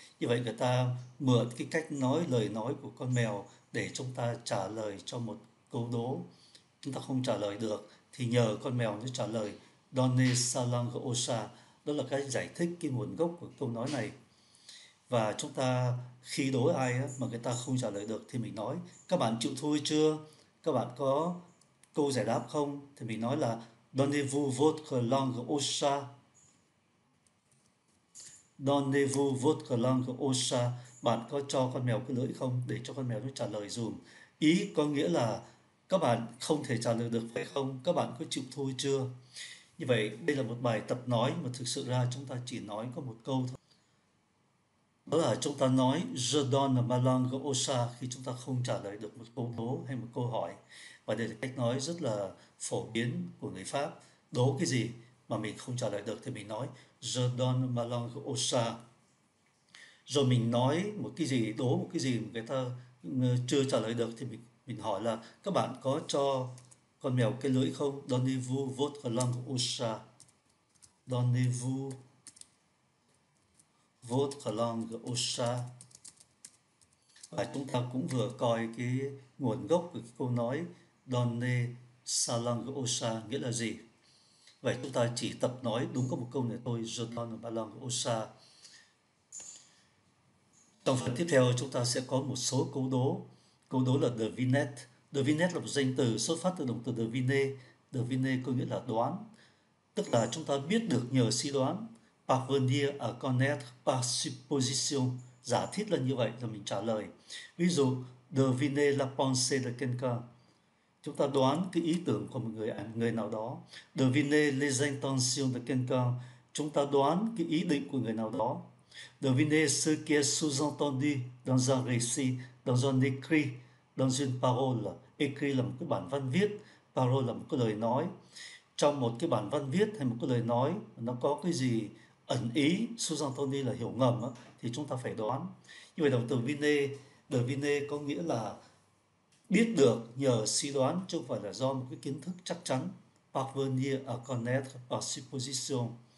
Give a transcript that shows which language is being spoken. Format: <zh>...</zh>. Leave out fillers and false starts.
<vi>Như vậy người ta mượn cái cách nói, lời nói của con mèo để chúng ta trả lời cho một câu đố chúng ta không trả lời được thì nhờ con mèo nó trả lời.</vi> <fr>Donne sa langue au chat,</fr> <vi>đó là cái giải thích, cái nguồn gốc của câu nói này. Và chúng ta khi đố ai mà người ta không trả lời được thì mình nói: các bạn chịu thua chưa, các bạn có câu giải đáp không?</vi> <fr>Thì mình nói là Donnez-vous votre langue au chat? Donnez-vous votre langue au chat?</fr> <vi>Bạn có cho con mèo cái lưỡi không để cho con mèo nó trả lời dùm? Ý có nghĩa là các bạn không thể trả lời được phải không? Các bạn có chịu thôi chưa? Như vậy đây là một bài tập nói mà thực sự ra chúng ta chỉ nói có một câu thôi. Đó là chúng ta nói</vi> <fr>Je donne ma langue au chat</fr> <vi>khi chúng ta không trả lời được một câu đố hay một câu hỏi. Và đây là cách nói rất là phổ biến của người Pháp. Đố cái gì mà mình không trả lời được thì mình nói</vi> <fr>Je donne ma langue au chat.</fr> <vi>Rồi mình nói một cái gì, đố một cái gì mà người ta chưa trả lời được thì mình hỏi là: các bạn có cho con mèo cái lưỡi không?</vi> <fr>Donnez-vous votre langue au chat? Donnez-vous votre langue au chat?</fr> <vi>Và chúng ta cũng vừa coi cái nguồn gốc của cái câu nói</vi> <fr>Donne sa langue au chat</fr> <vi>nghĩa là gì. Vậy chúng ta chỉ tập nói đúng có một câu này thôi,</vi> <fr>Je donne ma langue au chat.</fr> <vi>Trong phần tiếp theo chúng ta sẽ có một số câu đố. Câu đố là devinette. Devinette là một danh từ xuất phát từ động từ deviner. Deviner có nghĩa là đoán, tức là chúng ta biết được nhờ suy đoán.</vi> <fr>Parvenir à connaître par supposition,</fr> <vi>giả thiết là như vậy rồi mình trả lời. Ví dụ,</vi> <fr>deviner la pensée de quelqu'un,</fr> <vi>chúng ta đoán cái ý tưởng của một người nào đó.</vi> <fr>Deviner les intentions de quelqu'un,</fr> <vi>chúng ta đoán cái ý định của người nào đó.</vi> <fr>Deviner ce qui est sous-entendu dans un récit, dans un écrit, dans une parole.</fr> <vi>Écrit là một cái bản văn viết, parole là một cái lời nói. Trong một cái bản văn viết hay một cái lời nói, nó có cái gì ẩn ý, sous-entendu là hiểu ngầm, thì chúng ta phải đoán. Như vậy đồng từ deviner có nghĩa là biết được nhờ suy đoán, chứ không phải là do một cái kiến thức chắc chắn.</vi> <fr>Parvenir à connaître par supposition.</fr>